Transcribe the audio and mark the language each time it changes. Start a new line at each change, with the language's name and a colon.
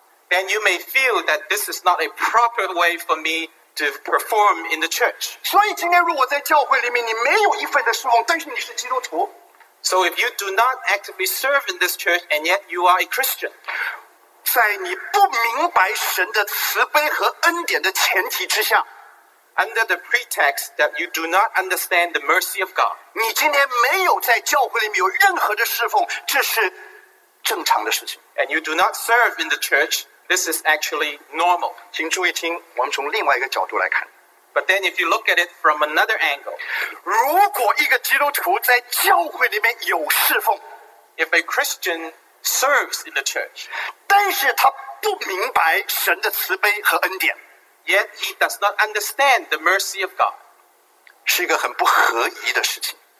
English: Then you may feel that this is not a proper way for me to perform in the church.
Chinese: 所以今天如果在教会里面你没有一份的侍奉，但是你是基督徒。
English: So if you do not actively serve in this church and yet you are a Christian,
Chinese: 在你不明白神的慈悲和恩典的前提之下,
English: under the pretext that you do not understand the mercy of God,
Chinese: 你今天没有在教会里面有任何的侍奉，这是正常的事情。
English: And you do not serve in the church, this is actually normal.
Chinese: 请注意听，我们从另外一个角度来看。
English: But then if you look at it from another angle,
Chinese: 如果一个基督徒在教会里面有侍奉,
English: if a Christian serves in the church,
Chinese: 但是他不明白神的慈悲和恩典,
English: yet he does not understand the mercy of God,
Chinese: 是一个很不合宜的事情。